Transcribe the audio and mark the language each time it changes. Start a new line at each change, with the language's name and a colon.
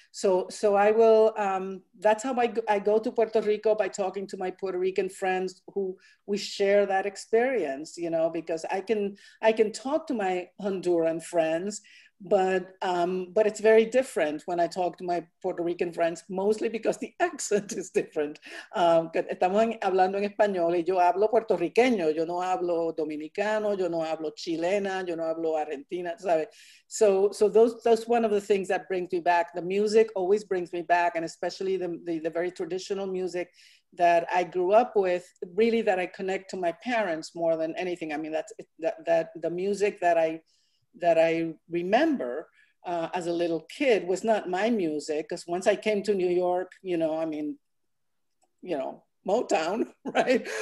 English: So I will, that's how I go to Puerto Rico, by talking to my Puerto Rican friends who we share that experience, you know, because I can talk to my Honduran friends, but it's very different when I talk to my Puerto Rican friends, mostly because the accent is different.
Spanish: Estamos hablando en español y yo hablo puertorriqueño, yo no hablo dominicano, yo no hablo chilena, yo no hablo argentina, ¿sabe?
English: So those one of the things that brings me back. The music always brings me back, and especially the very traditional music that I grew up with, really that I connect to my parents more than anything. I mean, that's the music that I remember as a little kid was not my music, because once I came to New York, you know, I mean, you know, Motown, right?